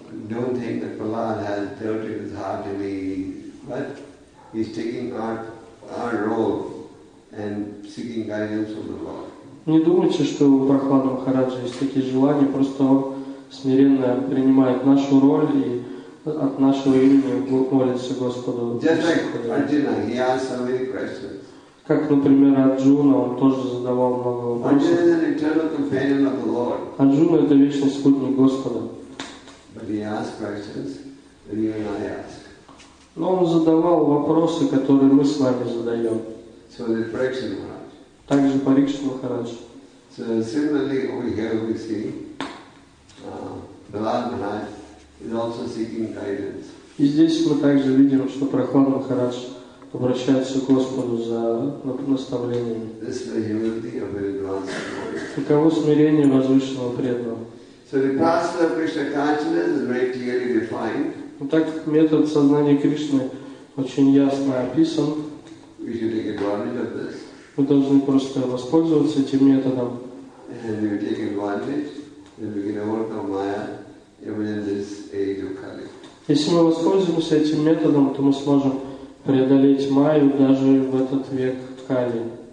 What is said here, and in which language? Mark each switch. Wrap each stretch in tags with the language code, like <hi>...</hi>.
<en>Don't think that Prahlad has dealt with his heart in me, but he's taking our role and seeking guidance from the Lord.</en> <ru>Не думайте, что у Прахлада Махараджа есть такие желания, просто он смиренно принимает нашу роль и от нашего имени молится Господу.</ru> <en>Just like Arjuna, he asked so many questions.</en> <ru>Как, например, Арджуна, он тоже задавал много вопросов.</ru> <en>Arjuna is an eternal companion of the Lord.</en> <ru>Арджуна — это вечный спутник Господа.</ru> <en>But he asked questions that you and I ask.</en> <ru>Но он задавал вопросы, которые мы с вами задаем.</ru> <en>So did Parikshit Maharaj.</en> <ru>Также Парикшит Махарадж.</ru> <en>So similarly, over here we see Prahlad Maharaj is also seeking guidance.</en> <ru>И здесь мы также видим, что Прахлад Махарадж обращается к Господу за наставлением.</ru> <en>This is the humility of an advanced devotee.</en> <ru>Таково смирение возвышенного преданного.</ru> <en>So the process of Krishna consciousness is very clearly defined.</en> <ru>Ну так метод сознания Кришны очень ясно описан.</ru> <en>We should take advantage of this.</en> <ru>Мы должны просто воспользоваться этим методом.</ru> <en>And if we take advantage, then we can overcome Maya.</en> <ru>Если мы воспользуемся этим методом, то мы сможем преодолеть Майю даже в этот век Кали.</ru>